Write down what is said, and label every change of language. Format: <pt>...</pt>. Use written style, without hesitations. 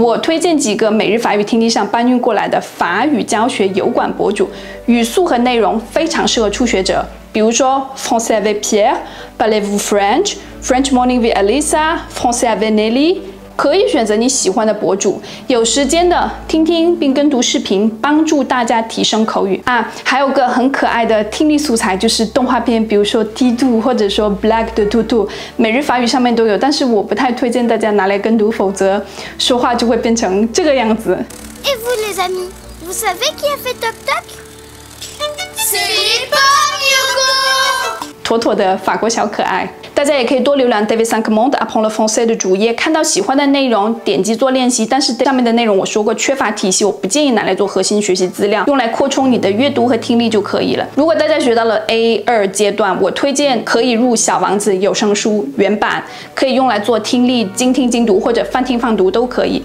<zh>我推荐几个每日法语听力上搬运过来的法语教学油管博主，语速和内容非常适合初学者，比如说 Français avec Pierre， Parlez-vous French， French Morning with Elisa， Français avec Nelly， 可以选择你喜欢的博主，有时间的听听并跟读视频，帮助大家提升口语啊。还有个很可爱的听力素材就是动画片，比如说 Didou 或者说 Blagues de TOTO， 每日法语上面都有，但是我不太推荐大家拿来跟读，否则说话就会变成这个样子。</zh> <fr>Et vous, les amis, vous savez qui a fait toc toc? C'est les pommes, Yoko!</fr> <zh>妥妥的法国小可爱。大家也可以多浏览 David 5 Monde Apprendre Français 的主页，看到喜欢的内容点击做练习。但是上面的内容我说过缺乏体系，我不建议拿来做核心学习资料，用来扩充你的阅读和听力就可以了。如果大家学到了 A2 阶段，我推荐可以入小王子有声书原版，可以用来做听力精听精读或者泛听泛读都可以。</zh>